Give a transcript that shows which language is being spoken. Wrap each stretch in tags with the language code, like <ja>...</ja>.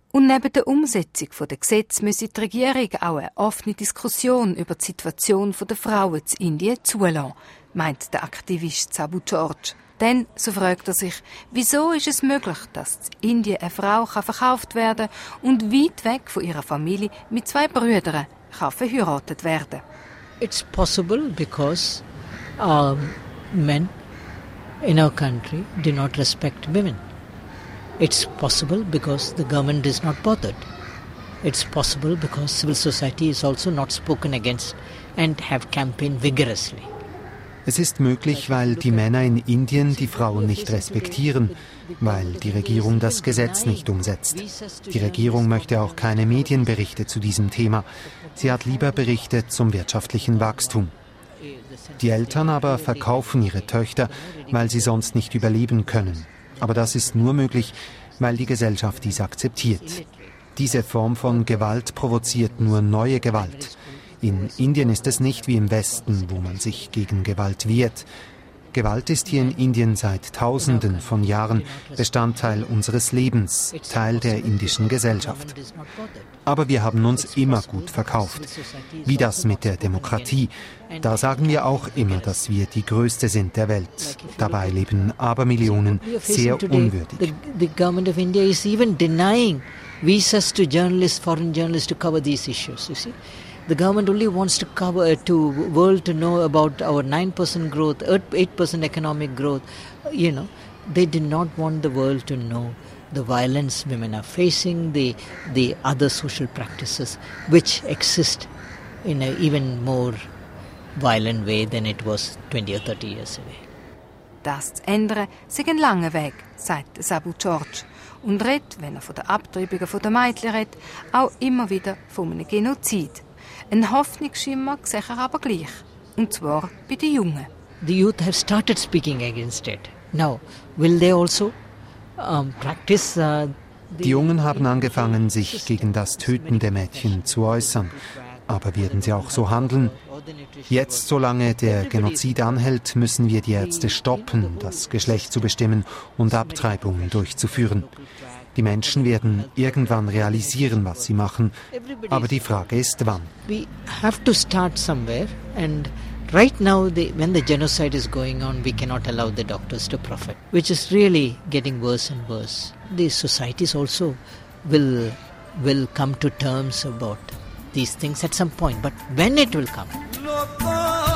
<de>Und neben der Umsetzung der Gesetze müsse die Regierung auch eine offene Diskussion über die Situation der Frauen in Indien zulassen, meint der Aktivist Sabu George. Denn, so fragt er sich, wieso ist es möglich, dass in Indien eine Frau verkauft werden kann und weit weg von ihrer Familie mit zwei Brüdern kann verheiratet werden.</de> <en>It's possible because men in our country do not respect women. It's possible because the government is not bothered. It's possible because civil society is also not spoken against and have campaigned vigorously.</en> <de>Es ist möglich, weil die Männer in Indien die Frauen nicht respektieren, weil die Regierung das Gesetz nicht umsetzt. Die Regierung möchte auch keine Medienberichte zu diesem Thema. Sie hat lieber Berichte zum wirtschaftlichen Wachstum. Die Eltern aber verkaufen ihre Töchter, weil sie sonst nicht überleben können. Aber das ist nur möglich, weil die Gesellschaft dies akzeptiert. Diese Form von Gewalt provoziert nur neue Gewalt. In Indien ist es nicht wie im Westen, wo man sich gegen Gewalt wehrt. Gewalt ist hier in Indien seit Tausenden von Jahren Bestandteil unseres Lebens, Teil der indischen Gesellschaft. Aber wir haben uns immer gut verkauft. Wie das mit der Demokratie. Da sagen wir auch immer, dass wir die Größte sind der Welt. Dabei leben Abermillionen sehr unwürdig.</de> <en>The government of India is even denying visas to journalists, foreign journalists to cover these issues, you see. The government only wants to cover to world to know about our 9% growth, 8% economic growth. You know, they did not want the world to know the violence women are facing, the other social practices which exist in an even more violent way than it was 20 or 30 years ago.</en> <de>Das zu ändern sei ein langer Weg, sagt Sabu George. Und redet, wenn er von der Abtreibung der Mädchen redet, auch immer wieder von einem Genozid. Ein Hoffnungsschimmer sehe ich aber gleich, und zwar bei den Jungen.</de> <en>The youth have started speaking against it. Now, will they also practice?</en> <de>Die Jungen haben angefangen, sich gegen das Töten der Mädchen zu äußern. Aber werden sie auch so handeln? Jetzt, solange der Genozid anhält, müssen wir die Ärzte stoppen, das Geschlecht zu bestimmen und Abtreibungen durchzuführen. Die Menschen werden irgendwann realisieren, was sie machen, aber die Frage ist, wann.</de> <en>We have to start somewhere and right now when the genocide is going on, we cannot allow the doctors to profit, which is really getting worse and worse. The societies also will come to terms about these things at some point, but when it will come.</en>